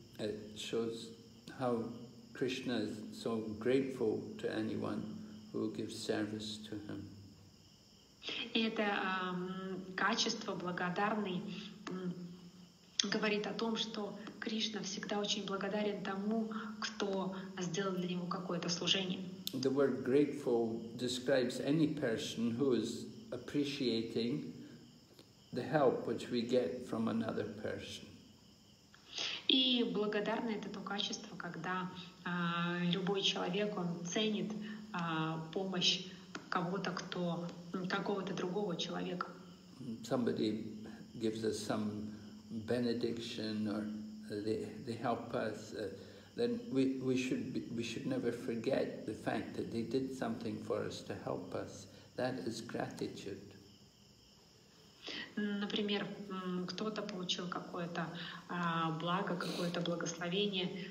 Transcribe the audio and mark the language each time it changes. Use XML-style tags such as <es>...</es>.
<en>It shows how Krishna is so grateful to anyone who gives service to him.</en> <ru>Это качество благодарный говорит о том, что Кришна всегда очень благодарен тому, кто сделал для него какое-то служение.</ru> <en>The word grateful describes any person who is appreciating the help which we get from another person.</en> <ru>И благодарны это то качество, когда любой человек он ценит помощь кого-то, кто какого-то другого человека.</ru> <en>Somebody gives us some benediction or they help us, then we should never forget the fact that they did something for us to help us. That is gratitude.</en> <ru>Например, кто-то получил какое-то благо, какое-то благословение,</ru>